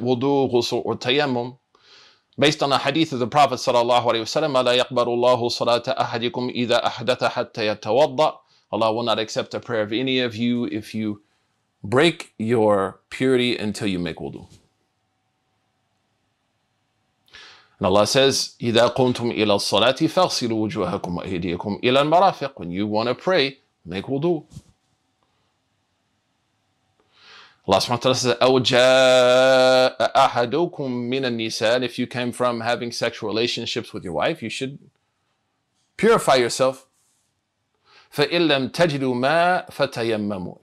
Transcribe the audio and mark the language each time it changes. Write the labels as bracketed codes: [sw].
[en] Wudu, ghusl, or tayammum. Based on the hadith of the Prophet sallallahu alayhi wa sallam, [ar] لا يقبل الله صلاة أحدكم إذا أحدث حتى يتوضأ. [en] Allah will not accept a prayer of any of you if you break your purity until you make wudu. And Allah says, [ar] إذا قمتم إلى الصلاة فاغسلوا وجوهكم وأيديكم إلى المرافق. [en] When you want to pray, make wudu. Allah subhanahu wa ta'ala says, [ar] أَوْ جَاءَ أَحَدُكُمْ مِنَ النِّسَاءِ. [en] If you came from having sexual relationships with your wife, you should purify yourself. [ar] فَإِن لَمْ تَجِدُوا مَا فَتَيَمَّمُوا.